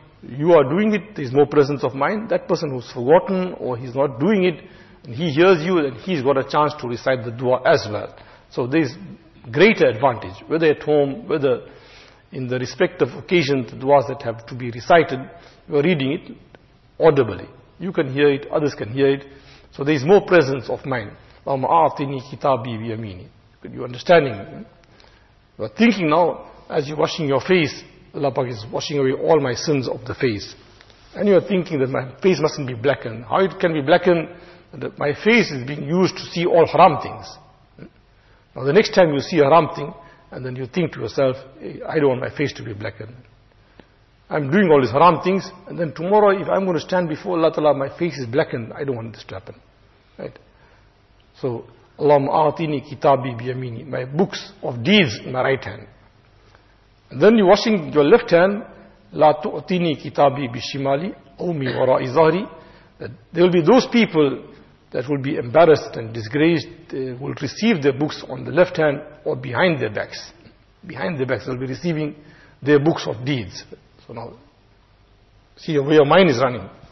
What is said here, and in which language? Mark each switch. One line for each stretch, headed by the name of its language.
English: You are doing it, there is more presence of mind. That person who's forgotten or he's not doing it, and he hears you, and he's got a chance to recite the dua as well. So there is greater advantage, whether at home, whether in the respective occasion, the duas that have to be recited, you are reading it audibly. You can hear it, others can hear it. So there is more presence of mind.
Arabic: اللهم أعطني كتابي بيميني.
English: You're understanding. You are thinking now, as you're washing your face, Allah Pak is washing away all my sins of the face. And you are thinking that my face mustn't be blackened. How it can be blackened? That my face is being used to see all haram things. Now the next time you see a haram thing, and then you think to yourself, hey, I don't want my face to be blackened. I'm doing all these haram things, and then tomorrow if I'm going to stand before Allah Ta'ala, my face is blackened, I don't want this to happen. Right? So,
Arabic: اللهم أعطيني كتابي بيميني,
English: my books of deeds in my right hand. Then you're washing your left hand,
Arabic: لَا تُؤْتِنِي كِتَابِي بِشِمَالِي أَوْمِي وَرَاءِ ظَهْرِي.
English: There will be those people that will be embarrassed and disgraced, they will receive their books on the left hand or behind their backs. Behind their backs, they'll be receiving their books of deeds. So now, see where your mind is running.